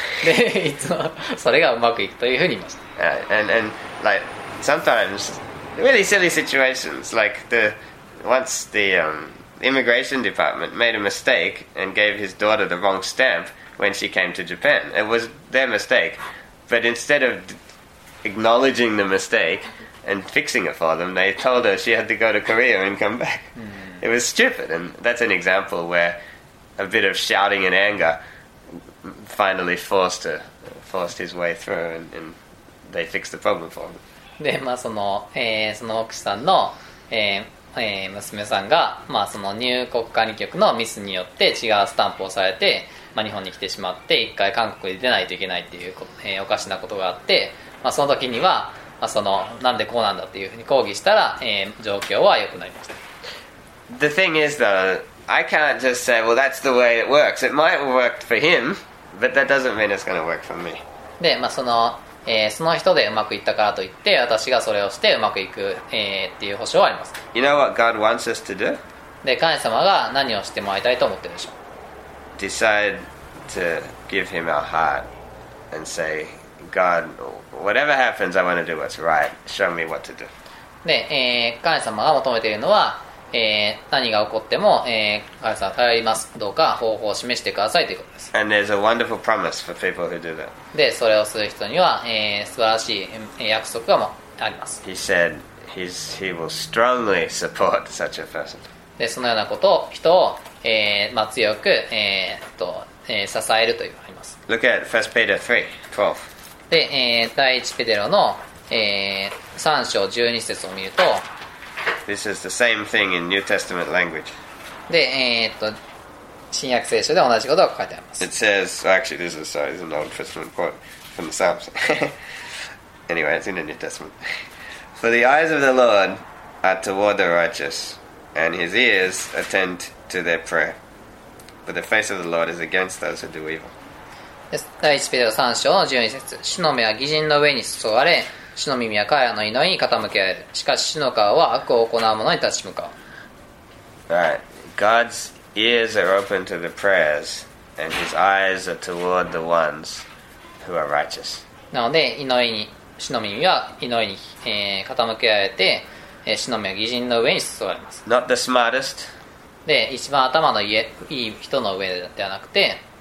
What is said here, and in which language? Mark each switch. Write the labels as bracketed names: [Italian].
[Japanese] で、いつもそれがうまくいくというふうに言いました。 [English] And like, sometimes... Really silly situations, like once the immigration department made a mistake and gave his daughter the wrong stamp when she came to Japan. It was their mistake, but instead of acknowledging the mistake and fixing it for them, they told her she had to go to Korea and come back. It was stupid, and that's an example where a bit of shouting and anger finally forced his way through and they fixed the problem for him. [Japanese] で、まあその、その奥さんの、娘さんが、まあ、その入国管理局のミスによって違うスタンプをされて、まあ、日本に来てしまって一回韓国に出ないといけないっていうこと、おかしなことがあって、まあ、その時には、まあ、そのなんでこうなんだっていうふうに抗議したら、状況は良くなりました。 [English] The thing is though, I can't just say, well, that's the way it works. It might have worked for him, but that doesn't mean it's going to work for me. [Japanese] で、まあそのその人でうまくいったからといって私がそれをしてうまくいく、っていう保証はあります。 [English] You know what God wants us to do? [Japanese] で、神様が何をしてもらいたいと思ってるでしょう。 [English] Decide to give him our heart and say, God, whatever happens, I want to do what's right. Show me what to do. [Japanese] で、神様が求めているのは、何が起こっても、神様頼ります、どうか方法を示してくださいということです。 [English] And there's a wonderful promise for people who do that. [Japanese] で、それをする人には、素晴らしい約束がもあります。 [English] He said he will strongly support such a person. [Japanese] で、そのようなことを人を、まあ、強く、支えるというのがあります。 [English] Look at 1 Peter 3:12. [Japanese] で、第1ペテロの、3章12節を見ると、 [English] This is the same thing in New Testament language. [Japanese] で、新約聖書で同じことが書いてあります。 [English] It says, actually, this is, sorry, this is an Old Testament quote from the Psalms. Anyway, it's in the New Testament. For the eyes of the Lord are toward the righteous, and his ears attend to their prayer. But the face of the Lord is against those who do evil. [Japanese] 第1ペテロ3章の12節。主の目は義人の上に注がれ、主の耳は彼らの祈りに傾けられる。しかし主の顔は悪を行う者に立ち向かう。 [English] Right. God's ears are open to the prayers, and his eyes are toward the ones who are righteous. [Japanese] なので、祈りに、主の耳は祈りに、傾けられて、主の目は義人の上に注がれます。 [English] Not the smartest. [Japanese] で、一番頭のいい人の上ではなくて、